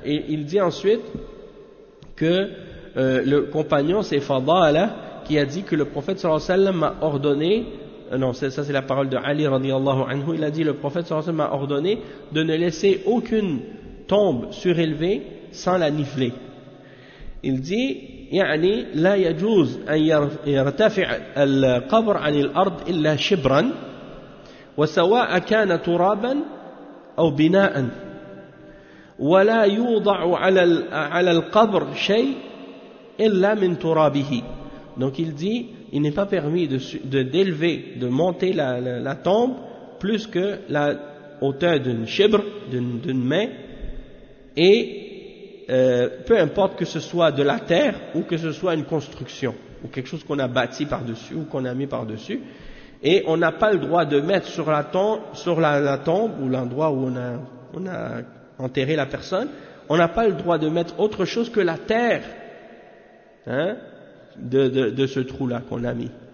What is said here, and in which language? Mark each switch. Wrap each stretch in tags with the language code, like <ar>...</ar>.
<fr>Et il dit ensuite que le compagnon, c'est Fadala, qui a dit que le prophète sallallahu alayhi wa sallam m'a ordonné. Non, ça c'est la parole de Ali radiallahu anhu. Il a dit le prophète sallallahu alayhi wa sallam m'a ordonné de ne laisser aucune tombe surélevée sans la niveler. Il dit</fr> <ar>يعني لا يجوز أن يرتفع القبر عن الأرض إلا شبرا وسواء كان ترابا أو بناء ولا يوضع على القبر شيء إلا من ترابه.</ar> <fr>Donc il dit il n'est pas permis d'élever, de monter la tombe plus que la hauteur d'une chibre, d'une main, et peu importe que ce soit de la terre ou que ce soit une construction ou quelque chose qu'on a bâti par-dessus ou qu'on a mis par-dessus, et on n'a pas le droit de mettre sur la tombe ou l'endroit où on a enterré la personne, on n'a pas le droit de mettre autre chose que la terre, hein, de ce trou-là qu'on a mis.</fr>